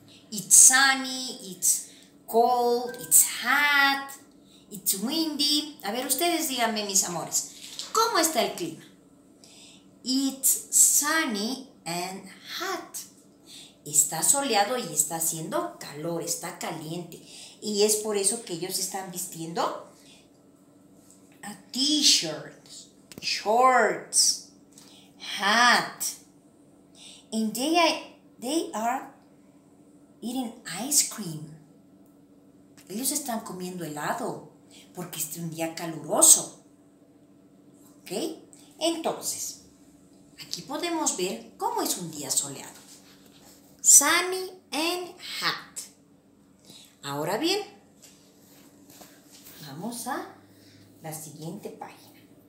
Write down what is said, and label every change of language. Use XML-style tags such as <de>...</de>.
<en>It's sunny, it's cold, it's hot, it's windy.</en> <es>A ver, ustedes díganme, mis amores, ¿cómo está el clima?</es> <en>It's sunny and hot.</en> <es>Está soleado y está haciendo calor, está caliente. Y es por eso que ellos están vistiendo</es> <en>a t-shirt, shorts. Hat. And they are eating ice cream.</en> <es>Ellos están comiendo helado porque es un día caluroso. ¿Ok? Entonces, aquí podemos ver cómo es un día soleado.</es> <en>Sunny and hot.</en> <es>Ahora bien, vamos a la siguiente página.</es>